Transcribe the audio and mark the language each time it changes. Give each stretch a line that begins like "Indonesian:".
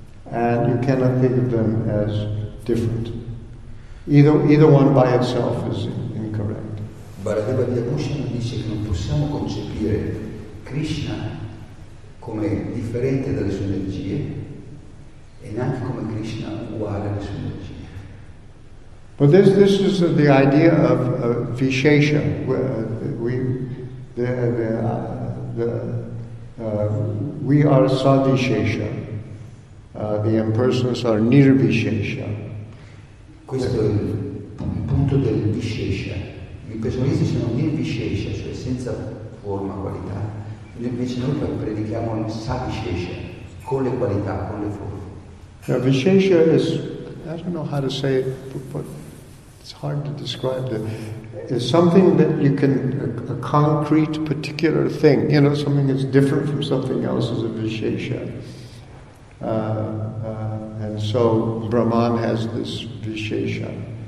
English: And you cannot think of them as different. Either one by itself is incorrect.
Italian: Baladeva Vyabhushana dice che non possiamo concepire Krishna come differente dalle sue energie e neanche come Krishna uguale alle sue energie.
English: But this is the idea of Vishesha. We are Sadvishesha. The impersonals are nirvishesha.
Italian: Questo è il punto del vishesha. Gli impersonalisti sono nirvishesha, cioè senza forma, qualità. E invece noi predichiamo il sadvishesha, con le qualità, con le forme.
English: Now, vishesha is, I don't know how to say it, but it's hard to describe it. It's something that you can, a concrete, particular thing. You know, something that's different from something else is a vishesha. And so Brahman has this vishesha.